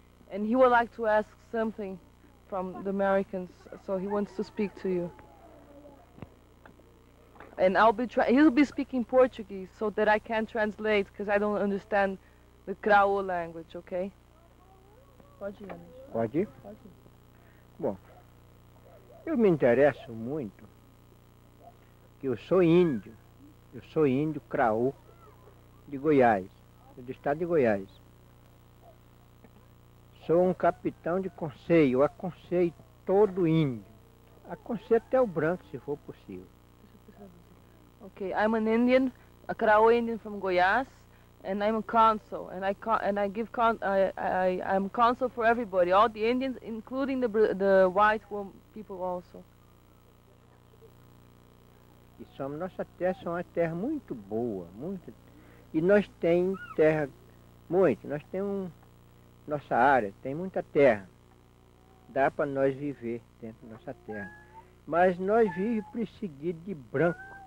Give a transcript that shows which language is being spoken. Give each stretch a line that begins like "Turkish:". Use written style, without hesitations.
English: And he would like to ask something from the Americans, so he wants to speak to you. And I'll be he'll be speaking Portuguese so that I can translate, because I don't understand the Kraho language, okay?
Portuguese: Pode ir. Bom, eu me interesso muito, que eu sou índio Kraho de Goiás, do estado de Goiás. Sou um capitão de conselho, eu aconselho todo índio, aconselho até o branco, se for possível.
English: Ok, I'm an Indian, a Kraho Indian from Goiás. And I'm a consul, and I'm consul for everybody, all the Indians, including the white people also.
Portuguese: E nossa terra são uma terra muito boa, muito. E nós tem terra muito, nós tem nossa área, tem muita terra. Dá para nós viver dentro da nossa terra. Mas nós vivemos perseguidos de branco.